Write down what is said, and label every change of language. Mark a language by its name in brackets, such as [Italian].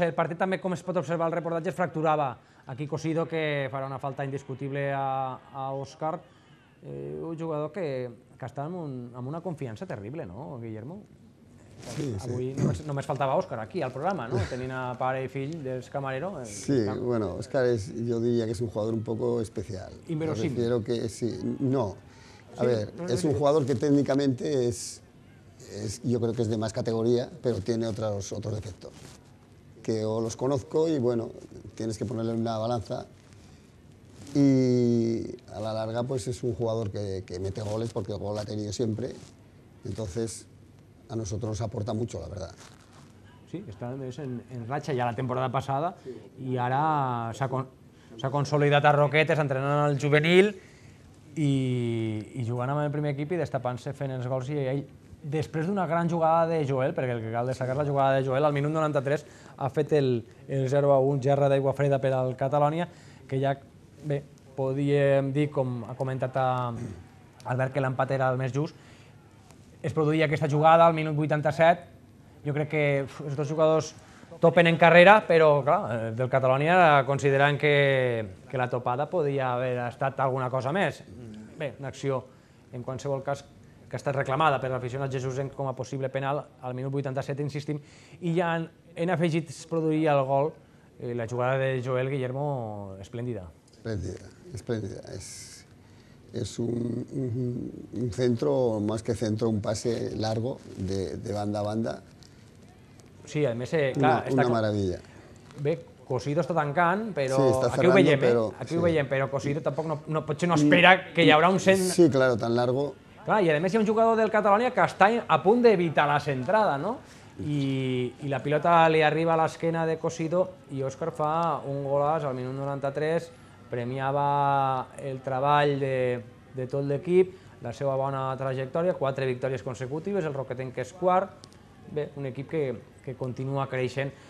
[Catalan] El partit també, com es pot observar, el reportatge es fracturava. Aquí Cosido, que farà una falta indiscutible a Òscar. Un jugador que està amb una confiança terrible, no, Guillermo? Sí. Avui només faltava Òscar aquí, al programa, no? Tenint a pare i fill del camarero. Sí, bueno, Òscar és, jo diria que és un jugador [Spanish] un poco [Catalan] especial. Inverosímil. [Spanish] Me refiero que sí. No. A sí, ver, no, es un jugador que técnicamente es... yo creo que es de más categoría, pero tiene otros defectos. Que o los conozco y bueno, tienes que ponerle una balanza. Y a la larga pues es un jugador que mete goles porque el gol ha tenido siempre. Entonces a nosotros nos aporta mucho, la verdad. [Catalan] sí, està més en ratxa ja la temporada passada, sí, i ara s'ha consolidat a Roquetes entrenant el juvenil i jugant amb el primer equip i destapant-se fent els gols. I ell, després d'una gran jugada de Joel, perquè el que cal destacar és la jugada de Joel, al minut 93 ha fet el 0-1, gerra d'aigua freda per al Catalonia, que ja, bé, podíem dir, com ha comentat Albert, que l'empat era el més just. Es produïa aquesta jugada al minut 87. Jo crec que els dos jugadors topen en carrera, però clar, del Catalonia consideren que la topada podia haver estat alguna cosa més. Bé, una acció, en qualsevol cas, que ha estat reclamada per l'aficionat jesusenc com a possible penal al minut 87, insistim, i ja en afegit es produïa el gol, la jugada de Joel Guillermo, esplèndida. Esplèndida. [Spanish] Es un centro, más que centro, un pase largo de banda a banda. [Catalan] Sí, a més, clar, [Spanish] una maravilla. [Catalan] Bé, Cosido està tancant, però sí, està aquí, cerrando, ho veiem, però, aquí sí. Ho veiem, però Cosido tampoc no, potser no espera que hi haurà un cent... [Spanish] Sí, claro, tan largo. [Catalan] Clar, i a més hi ha un jugador del Catalonia que està a punt d'evitar la centrada, no? I la pilota li arriba a l'esquena de Cosido i Òscar fa un golaç al minut 93, premiava el treball de tot l'equip, la seva bona trajectòria, 4 victòries consecutives, el Roquetenc que és quart, bé, un equip que continua creixent.